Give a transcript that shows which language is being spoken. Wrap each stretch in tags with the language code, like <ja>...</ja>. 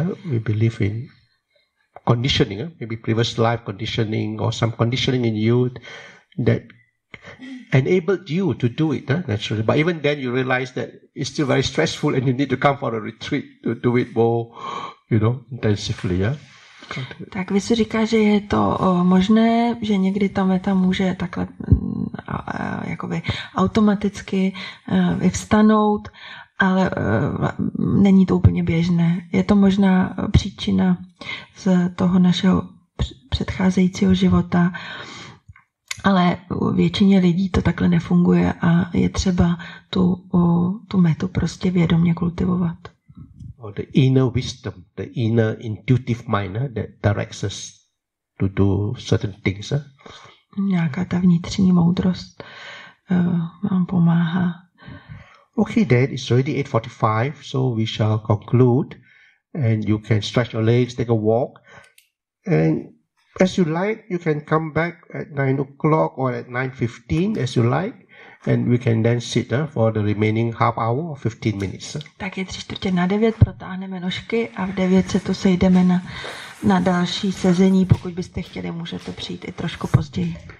<en>We believe in conditioning, maybe previous life conditioning or some conditioning in youth that enabled you to do it naturally. But even then you realize that it's still very stressful and you need to come for a retreat to do it more, you know, intensively, yeah?</en> <cs>Tak vy si říká, že je to možné, že někdy ta meta může takhle jakoby automaticky vyvstanout, ale není to úplně běžné. Je to možná příčina z toho našeho předcházejícího života, ale většině lidí to takhle nefunguje a je třeba tu metu prostě vědomě kultivovat.</cs> <en>Or the inner wisdom, the inner intuitive mind that directs us to do certain things.</en> <cs>Nějaká ta vnitřní moudrost nám pomáhá.</cs> <en>Okay, then it's already 8:45, so we shall conclude. And you can stretch your legs, take a walk. And as you like, you can come back at 9:00 or at 9:15, as you like. And we can then sit for the remaining half hour or 15 minutes.</en> <cs>Tak je 8:45, protáhneme nožky a v 9 se tu sejdeme na další sezení. Pokud byste chtěli, můžete přijít i trošku později.</cs>